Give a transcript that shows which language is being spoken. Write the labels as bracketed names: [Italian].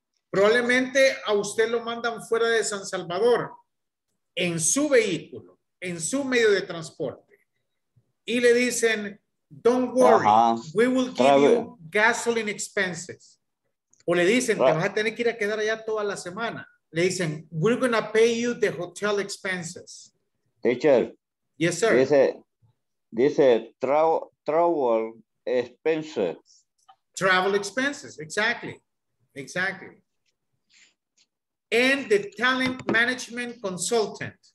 [Spanish] Probablemente a usted lo mandan fuera de San Salvador en su vehículo, en su medio de transporte. Y le dicen, [English] don't worry, we will give you gasoline expenses. [Spanish] O le dicen, te vas a tener que ir a quedar allá toda la semana. Le dicen, [English] we're going to pay you the hotel expenses. Teacher. Yes, sir. Dice travel expenses. Travel expenses, exactly. Exactly. And the talent management consultant.